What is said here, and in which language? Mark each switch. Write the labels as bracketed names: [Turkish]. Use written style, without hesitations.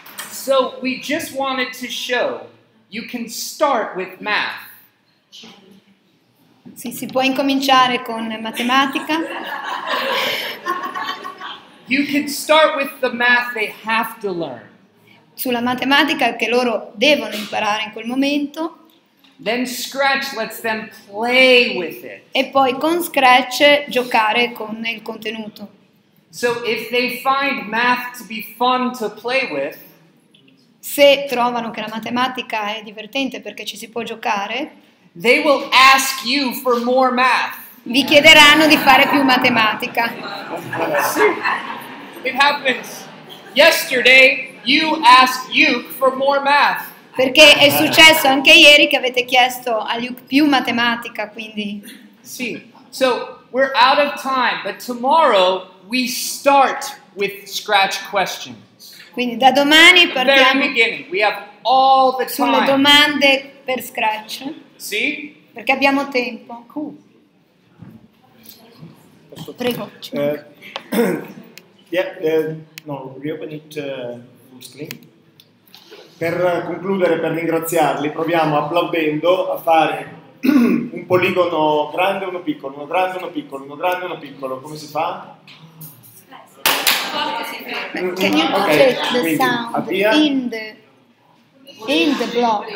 [English] So we just wanted to show you can start with math. [Italian] Sì, si può incominciare con matematica. [English] You can start with the math they have to learn. [Italian] Sulla matematica che loro devono imparare in quel momento. [English] Then Scratch lets them play with it. [Italian] E poi con Scratch giocare con il contenuto. [English] So if they find math to be fun to play with, [Italian] se trovano che la matematica è divertente perché ci si può giocare, [English] they will ask you for more math. [Italian] Vi chiederanno di fare più matematica. [English] It happens. Yesterday you asked Luke for more math. [Italian] Perché è successo anche ieri che avete chiesto a Luke più matematica, quindi. Sì. [English] So we're out of time, but tomorrow we start with Scratch questions. [Italian] Quindi da domani partiamo [English] we have all the time. [Italian] Sulle domande per Scratch. Sì? Perché abbiamo tempo. [English] Cool. [Italian] Prego. [English] Reopen it full screen. [Italian] Per concludere, per ringraziarli, proviamo applaudendo a fare un poligono grande o uno piccolo, uno grande o uno piccolo, uno grande o uno piccolo. Come si fa? [English] Can you put the sound in the block?